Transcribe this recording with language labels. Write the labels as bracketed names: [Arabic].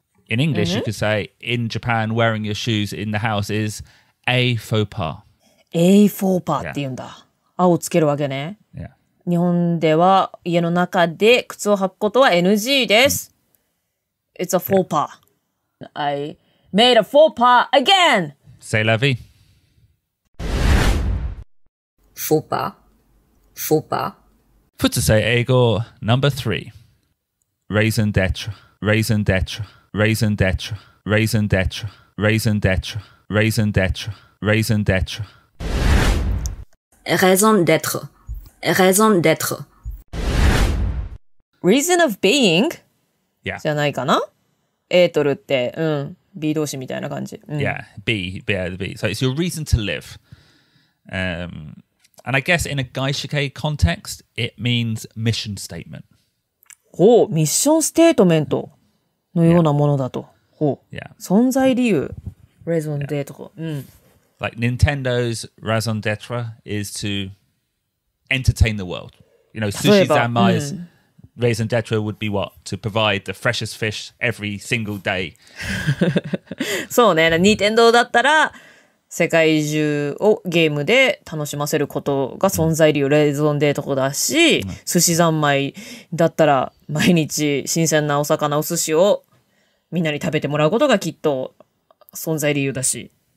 [English] In English,、mm-hmm. you could say, in Japan, wearing your shoes in the house is a faux pas. [Japanese] A faux pas って言うんだ。あをつけるわけね。 [English] Yeah. [Japanese] 日本では家の中で靴を履くことは NG です。 [English] Mm-hmm. It's a faux pas.、Yeah. I made a faux pas again. [French] C'est la vie. Faux pas. Faux pas. Futsusei Ego number three. Raison d'être. Raison d'être. Raison d'être. Raison d'être. Raison d'être. Raison d'être. Raison d'être. Raison d'être. Raison d'être. [English] Reason of being? Yeah. [Japanese] じゃないかな? A とるって、うん、B 動詞みたいな感じ。うん、 [English] yeah, B, B, yeah, B. So it's your reason to live.、And I guess in a 外資系 context, it means mission statement. [Japanese] ほう、ミッションステートメントのようなものだと。 [English] Yeah. [Japanese] ほう、 [English] yeah. [Japanese] 存在理由、raison d'être、yeah. うん。 [English] Like Nintendo's raison d'être is to entertain the world. You know, Sushi Zanmai's...、うんRaison d'être would be what? To provide the freshest fish every single day. [Japanese] そうね。ニンテンドーだったら世界中をゲームで楽しませることが存在理由、raison d'èreだし、寿司三昧だったら毎日新鮮なお魚、お寿司をみんなに食べてもらうことがきっと存在理由だし。